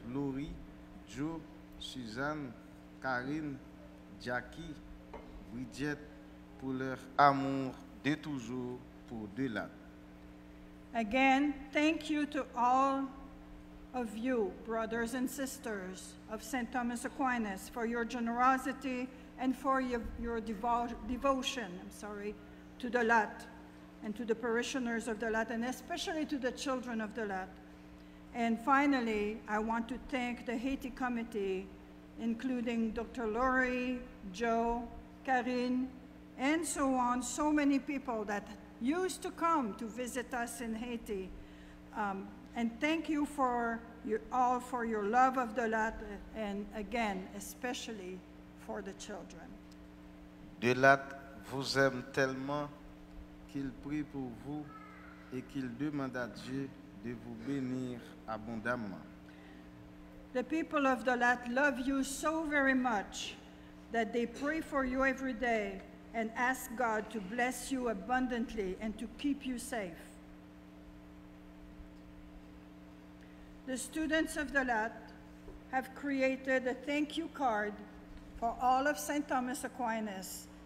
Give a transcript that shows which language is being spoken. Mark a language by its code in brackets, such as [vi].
[fr] Laurie, Joe, Suzanne, Karine, Jackie, Bridget, pour leur amour de toujours pour Delat. [en] Again, thank you to all of you, brothers and sisters of St. Thomas Aquinas, for your generosity and for your devotion, I'm sorry, to Delat and to the parishioners of Delat, and especially to the children of Delat. And finally, I want to thank the Haiti Committee, including Dr. Laurie, Joe, Karine, and so on, so many people that used to come to visit us in Haiti. And thank you for your love of Delat, and again, especially for the children. [fr] Delat vous aime tellement qu'il prie pour vous et qu'il demande à Dieu de vous bénir abondamment. [en] The people of Delat love you so very much that they pray for you every day and ask God to bless you abundantly and to keep you safe. The students of Delat have created a thank you card for all of St. Thomas Aquinas